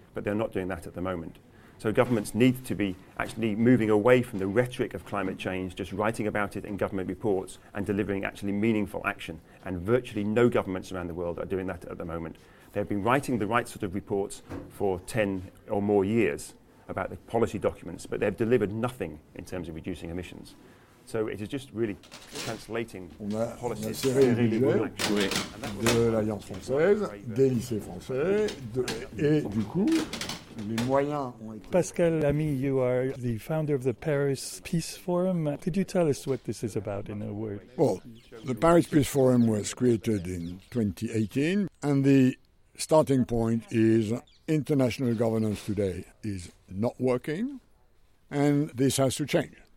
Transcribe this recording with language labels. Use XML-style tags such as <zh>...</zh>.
<en>But they're not doing that at the moment. So governments need to be actually moving away from the rhetoric of climate change, just writing about it in government reports and delivering actually meaningful action. And virtually no governments around the world are doing that at the moment. They've been writing the right sort of reports for 10 or more years about the policy documents, but they've delivered nothing in terms of reducing emissions. So it is just really translating policies.</en> <fr>On a serré les budgets de l'Alliance française, des lycées français, et du coup, les moyens ont été...</fr> <en>Pascal Lamy, you are the founder of the Paris Peace Forum. Could you tell us what this is about in a word? Well, the Paris Peace Forum was created in 2018, and the starting point is international governance today is not working, and this has to change.</en>